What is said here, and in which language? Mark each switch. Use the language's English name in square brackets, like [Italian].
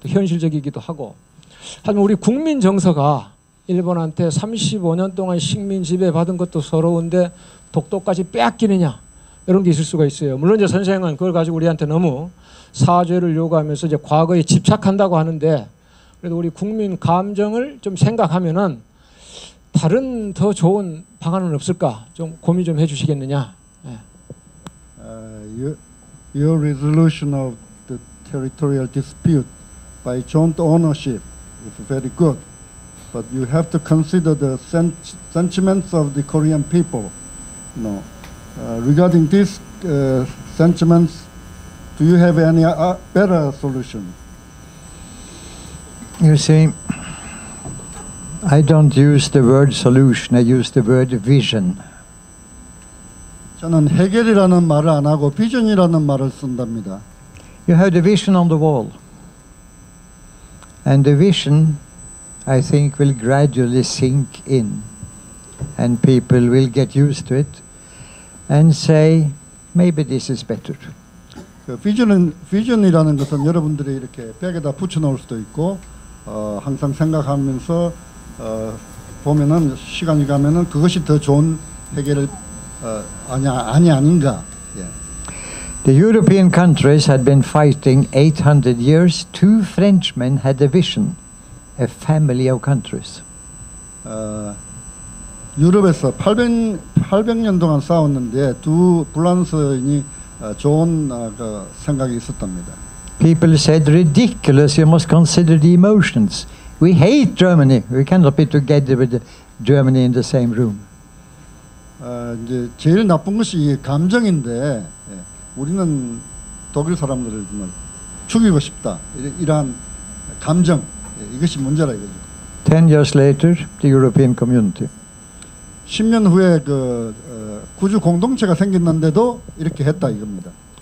[Korean] 또 현실적이기도 하고. 하지만 우리 국민 정서가 일본한테 35년 동안 식민 지배받은 것도 서러운데 독도까지 빼앗기느냐 이런 게 있을 수가 있어요. 물론 이제 선생은 그걸 가지고 우리한테 너무 사죄를 요구하면서 이제 과거에 집착한다고 하는데 그래도 우리 국민 감정을 좀 생각하면은 다른 더 좋은 방안은 없을까 좀 고민 좀 해주시겠느냐. 예. [English] Your resolution of the territorial dispute by joint ownership is very good. But you have to consider the sentiments of the Korean people. You know, regarding these sentiments, do you have any better solution? You see, I don't use the word solution, I use the word vision. [Korean] 저는 해결이라는 말을 안 하고 비전이라는 말을 쓴답니다. [English] You have the vision on the wall. And the vision, I think, will gradually sink in. And people will get used to it and say, maybe this is better. [Korean] 그 비전은, 비전이라는 것은 여러분들이 이렇게 벽에다 붙여놓을 수도 있고 항상 생각하면서 보면은 시간이 가면은 그것이 더 좋은 해결을 아니 아닌가. [English] Yeah. The European countries had been fighting 800 years. Two Frenchmen had a vision, a family of countries. [Korean] 유럽에서 800년 동안 싸웠는데 두 불란서인이 좋은 그 생각이 있었답니다. [English] People said ridiculous. You must consider the emotions. We hate Germany. We cannot be together with Germany in the same room. [Korean] 이제 제일 나쁜 것이 감정인데 예, 우리는 독일 사람들을 정말 죽이고 싶다 이러한 감정 예, 이것이 문제라 이거죠. [English] 10 years later, the European Community. [Korean] 10년 후에 그 구주 공동체가 생겼는데도 이렇게 했다 이겁니다.